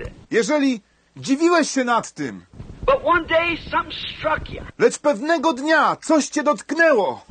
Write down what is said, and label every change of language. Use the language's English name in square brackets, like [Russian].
[Polish] Jeżeli dziwiłeś się nad tym, [English] but one day something struck you. [Polish] Lecz pewnego dnia coś cię dotknęło.